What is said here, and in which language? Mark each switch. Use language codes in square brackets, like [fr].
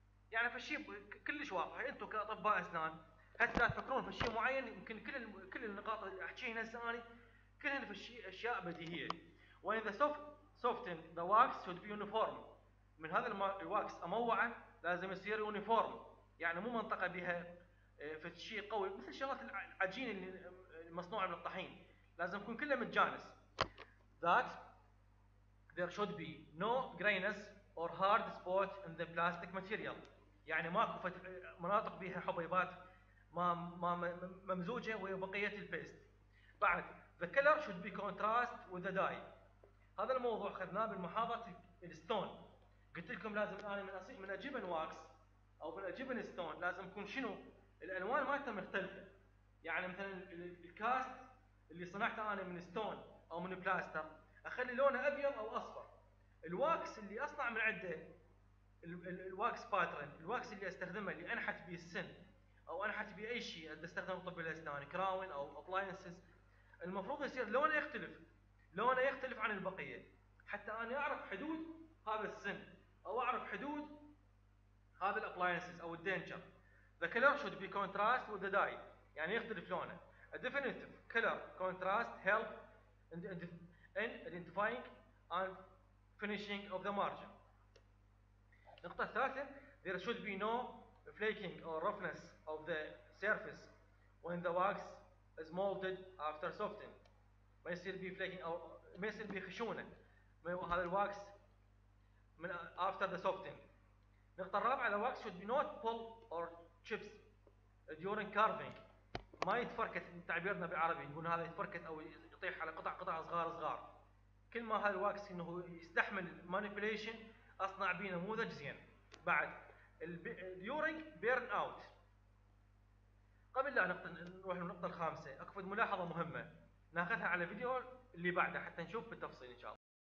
[ar] يعني فشي كلش واضح، انتم كاطباء اسنان هسه تفكرون في شيء معين، يمكن كل النقاط اللي احكيها هسه انا كلها في شيء اشياء بديهيه. [en] when the soften the wax should be uniform, [ar] من هذا الواكس اموعه لازم يصير يونيفورم، يعني مو منطقه بها في شيء قوي مثل شغلات العجين اللي المصنوعه من الطحين، لازم يكون كله متجانس. [en] That there should be no grayness or hard spot in the plastic material. [ar] يعني ماكو مناطق بيها حبيبات ما ممزوجة ويا بقية البيست. بعد [en] the color should be contrast with the dye. [ar] هذا الموضوع خذناه بالمحاضرة الستون. قلت لكم لازم أنا من أجيب الواكس أو من أجيب الستون لازم يكون شنو الألوان مالته مختلفة. يعني مثلا الكاست اللي صنعته انا من ستون او من بلاستر اخلي لونه ابيض او اصفر. الواكس اللي اصنع من عنده الواكس باترن، الواكس اللي استخدمه اللي انحت به السن او انحت به اي شيء استخدمه طب الاسنان كراون او ابلاينسز، المفروض يصير لونه يختلف، لونه يختلف عن البقيه حتى انا اعرف حدود هذا السن او اعرف حدود هذا الابلاينسز او الدينجر. [en] the colour should be contrast with the dye, [ar] يعني يختلف لونه. [en] A definitive color contrast help in identifying and finishing of the margin. [ar] نقطة ثالثة, [en] there should be no flaking or roughness of the surface when the wax is molded after softening. [ar] ما يصير بي flaking أو ما يصير بي خشونة هذا الwax من after the softening. نقطة رابعة, [en] the wax should be not pull or chips during carving. [ar] ما يتفركت، تعبيرنا بالعربي نقول هذا يتفركت او يطيح على قطع صغار. كل ما هذا الواكس انه يستحمل مانيبيليشن اصنع به نموذج زين. بعد اليورينج بيرن اوت، قبل لا نروح للنقطه الخامسه اكو ملاحظه مهمه ناخذها على الفيديو اللي بعده حتى نشوف بالتفصيل ان شاء الله.